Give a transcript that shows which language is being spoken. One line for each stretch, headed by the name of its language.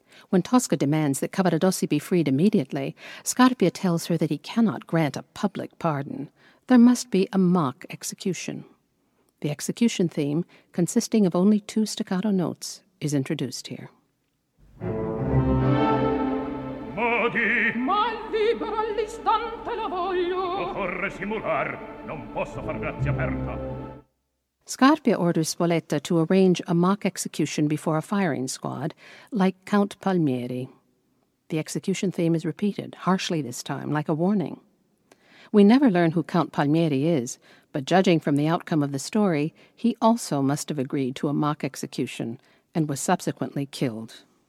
English: When Tosca demands that Cavaradossi be freed immediately, Scarpia tells her that he cannot grant a public pardon. There must be a mock execution. The execution theme, consisting of only two staccato notes, is introduced here.
Italian: Modi! Ma libero all'istante la voglio! Occorre simular! Non posso far grazia aperta!
English: Scarpia orders Spoletta to arrange a mock execution before a firing squad, like Count Palmieri. The execution theme is repeated, harshly this time, like a warning. We never learn who Count Palmieri is, but judging from the outcome of the story, he also must have agreed to a mock execution and was subsequently killed.